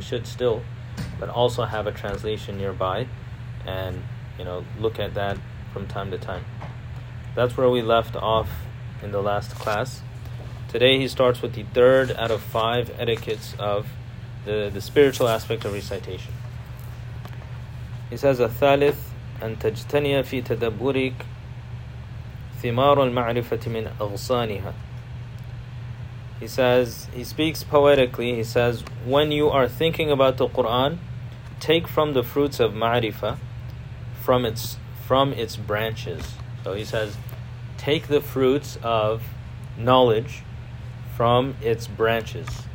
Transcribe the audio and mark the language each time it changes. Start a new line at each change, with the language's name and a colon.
English: We should still, but also have a translation nearby and, you know, look at that from time to time. That's where we left off in the last class. Today he starts with the third out of five etiquettes of the spiritual aspect of recitation. He says,
Arabic: الثالث أن تجتني في تدبرك ثمار المعرفة من أغصانها.
English: He says, he speaks poetically, he says, when you are thinking about the Qur'an, take from the fruits of ma'rifah, from its branches. So he says, take the fruits of knowledge from its branches.